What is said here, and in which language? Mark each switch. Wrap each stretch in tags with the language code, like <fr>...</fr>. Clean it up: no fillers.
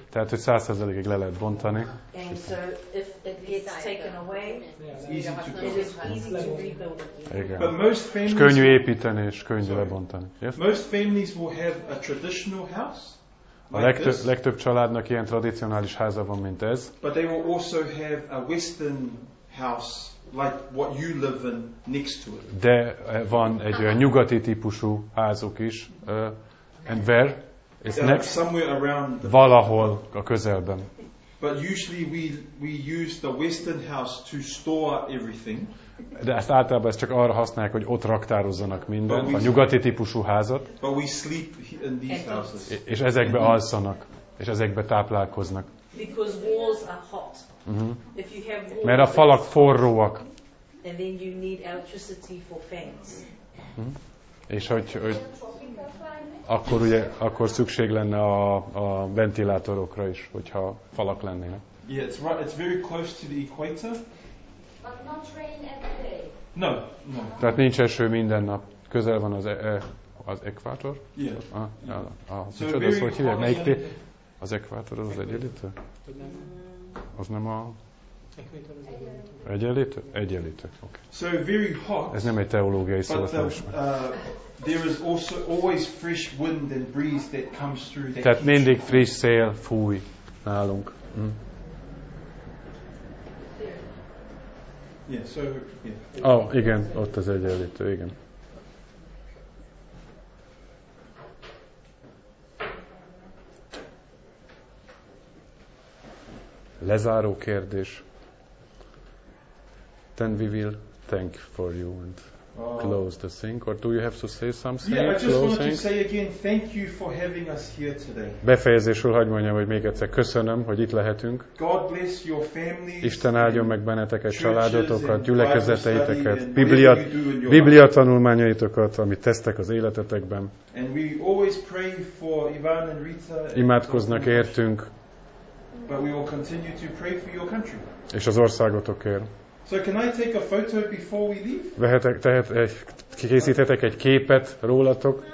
<hu>Tehát, hogy 100%-ig le lehet bontani.</hu> <en>And so if it gets taken away, it is easy to rebuild again.</en> <hu>Igen.</hu> <en>But</en> <hu>könnyű lebontani.</hu> <en>Yes? Most families will have a traditional house.</en> <hu>A legtöbb családnak ilyen tradicionális háza van, mint ez.</hu> <en>But they will also have a western house. Like what you live in next to it.</en> <hu>De van egy olyan nyugati típusú házuk is,</hu> <en>and where? It's next. Somewhere around.</en> <hu>Valahol a közelben.</hu> <en>But usually we use the western house to store everything.</en> <hu>De ezt általában ezt csak arra használják, hogy ott raktározzanak mindent, a nyugati típusú házat.</hu> <en>But we sleep in these houses.</en> <hu>És ezekbe alszanak, és ezekbe táplálkoznak.</hu> <en>Because walls are hot. If you have walls,</en> <hu>mert a falak forróak.</hu> <en>And then you need electricity for fans.</en> <hu>És hogy akkor ugye akkor szükség lenne a ventilátorokra is, hogyha falak lennének.</hu> <en>Yeah, it's right. It's very close to the equator. But not rain every day. No.</en> <hu>Tehát nincs eső minden nap. Közel van az ekvátor.</hu> <en>Yeah. Ah, so very hot.</en> <hu>Az ekvátor az egyenlítő? Az nem a... Egyenlítő? Egyenlítő, okay.</hu> <en>So very hot.</en> <hu>Ez nem egy teológiai szó, azt nem ismer.</hu> <en>There is also always fresh wind and breeze that comes through that.</en> <hu>Tehát mindig friss szél fúj nálunk.</hu> <en>Yeah.</en> <hu>Oh, igen, ott az egyenlítő, igen. Lezáró kérdés.</hu> <en>Then we will thank for you and close the thing. Or do you have to say something? Yeah, I just wanted to say again, thank you for having us here today.</en> <hu>Befejezésül hagyd mondjam, hogy még egyszer köszönöm, hogy itt lehetünk.</hu> <en>God bless your families.</en> <hu>Isten áldjon meg benneteket, családotokat, gyülekezeteiteket, biblia tanulmányaitokat, amit tesztek az életetekben.</hu> <en>And we always pray for Ivan and Rita.</en> <hu>Imádkoznak értünk.</hu> <en>But we will continue to pray for your country.</en> <hu>És az országotokért.</hu> <en>So can I take a photo before we leave?</en> <hu>Készíthetek egy képet rólatok.</hu>